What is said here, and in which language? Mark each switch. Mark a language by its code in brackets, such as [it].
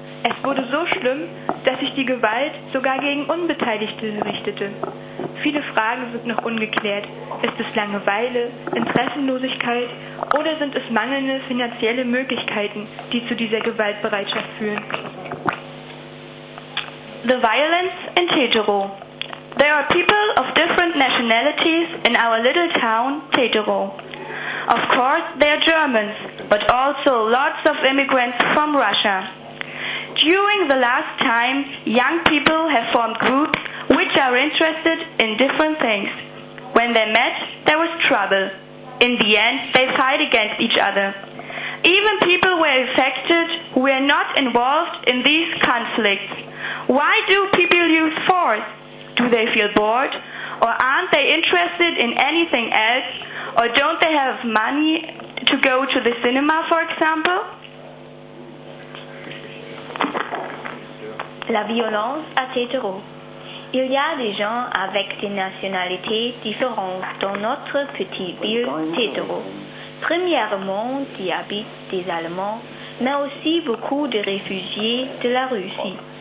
[de] Es wurde so schlimm, dass sich die Gewalt sogar gegen Unbeteiligte richtete. Viele Fragen sind noch ungeklärt. Ist es Langeweile, Interessenlosigkeit oder sind es mangelnde finanzielle Möglichkeiten, die zu dieser Gewaltbereitschaft führen? [en] The violence in Tetro. There are people of different nationalities in our little town, Tetro. Of course, they are Germans, but also lots of immigrants from Russia. During the last time, young people have formed groups which are interested in different things. When they met, there was trouble. In the end, they fight against each other. Even people were affected who were not involved in these conflicts. Why do people use force? Do they feel bored? Or aren't they interested in anything else? Or don't they have money to go to the cinema, for example? [fr] La violence à Tétéro. Il y a des gens avec des nationalités différentes dans notre petite ville Tétéro. Premièrement, y habitent des Allemands, mais aussi beaucoup de réfugiés de la Russie.